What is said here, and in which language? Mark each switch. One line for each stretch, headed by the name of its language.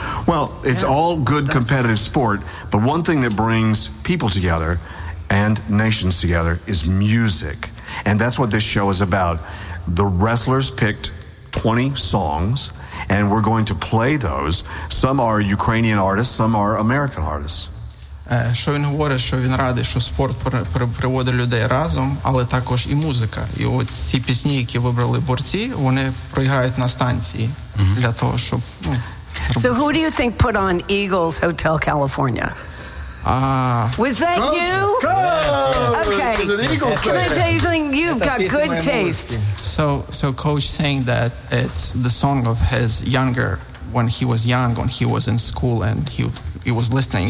English: Well, it's all good competitive sport, but one thing that brings people together and nations together is music, and that's what this show is about. The wrestlers picked 20 songs, and we're going to play those. Some are Ukrainian artists, some are American artists.
Ukrainian: Що він говорить, що він радий, що спорт приводить людей разом, але також і музика. І от ці пісні, які вибрали борці, вони проіграють на станції для того, щоб...
English: So who do you think put on Eagles Hotel California? Was that coach? You? Coach! Okay. An Eagles Can I tell you something? You've got good taste. So coach saying that it's the song of his younger, when he was young, when he was in school and he was listening.